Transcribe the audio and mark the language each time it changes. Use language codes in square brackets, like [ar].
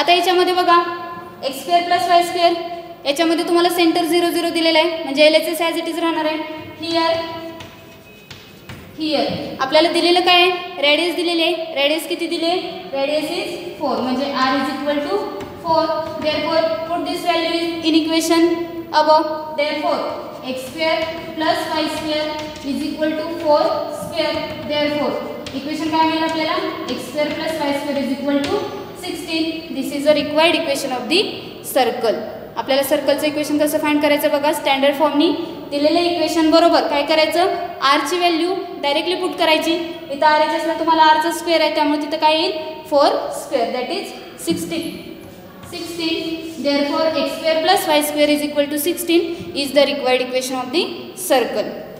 [mr] आता याच्यामध्ये बघा x square plus y square, याच्यामध्ये तुम्हाला सेंटर 0 0 दिलेला आहे म्हणजे L H S [en] as it is [mr] राहणार आहे। हियर हियर आपल्याला दिलेलं काय आहे, रेडियस दिलेली आहे। रेडियस किती दिली आहे, [en] Radius is 4 म्हणजे r is equal to 4। Therefore put this value is in equation above. Therefore x square plus y square is equal to 4 square. Therefore equation [mr] काय मिळेल आपल्याला, [en] X square plus y square is equal to 16। This is a required equation of the circle. [mr] आपल्याला सर्कलचं equation कसं find करायचं बघा, standard फॉर्मनी दिलेलं equation बरोबर काय करायचं, आरची व्हॅल्यू डायरेक्टली पुट करायची। इथं आर एच असला तुम्हाला आरचा स्क्वेअर आहे त्यामुळे तिथं काय येईल, 4 square [en] That is 16। Therefore x square plus y square is equal to 16 is the required equation of the circle.